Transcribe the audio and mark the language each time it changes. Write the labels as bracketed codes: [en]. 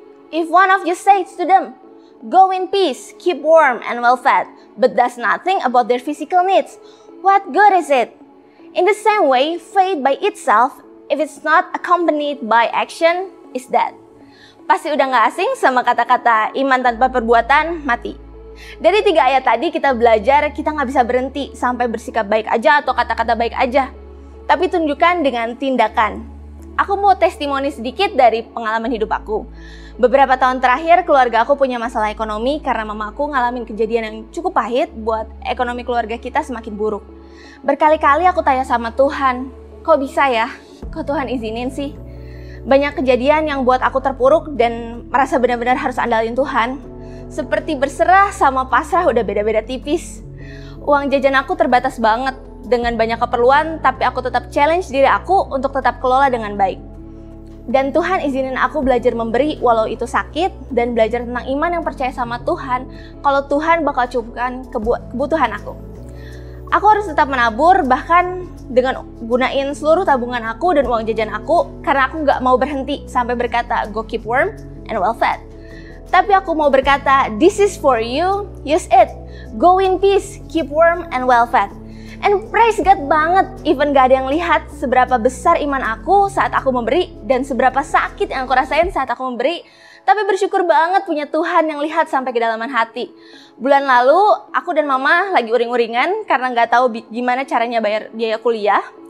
[en] If one of you says to them, go in peace, keep warm and well fed, but does nothing about their physical needs, what good is it? In the same way, faith by itself, if it's not accompanied by action, is dead. [id] Pasti udah gak asing sama kata-kata iman tanpa perbuatan, mati. Dari tiga ayat tadi kita belajar, kita gak bisa berhenti sampai bersikap baik aja atau kata-kata baik aja. Tapi tunjukkan dengan tindakan. Aku mau testimoni sedikit dari pengalaman hidup aku. Beberapa tahun terakhir keluarga aku punya masalah ekonomi karena mamaku ngalamin kejadian yang cukup pahit buat ekonomi keluarga kita semakin buruk. Berkali-kali aku tanya sama Tuhan, kok bisa ya? Kok Tuhan izinin sih? Banyak kejadian yang buat aku terpuruk dan merasa benar-benar harus andalin Tuhan. Seperti berserah sama pasrah udah beda-beda tipis. Uang jajan aku terbatas banget dengan banyak keperluan, tapi aku tetap challenge diri aku untuk tetap kelola dengan baik. Dan Tuhan izinin aku belajar memberi walau itu sakit, dan belajar tentang iman yang percaya sama Tuhan kalau Tuhan bakal cukupkan kebutuhan aku. Aku harus tetap menabur, bahkan dengan gunain seluruh tabungan aku dan uang jajan aku, karena aku gak mau berhenti sampai berkata, [en] go keep warm and well fed. [id] Tapi aku mau berkata, [en] this is for you, use it. Go in peace, keep warm and well fed. And praise God [id] banget, even gak ada yang lihat seberapa besar iman aku saat aku memberi, dan seberapa sakit yang aku rasain saat aku memberi. Tapi bersyukur banget punya Tuhan yang lihat sampai kedalaman hati. Bulan lalu, aku dan mama lagi uring-uringan karena gak tahu gimana caranya bayar biaya kuliah.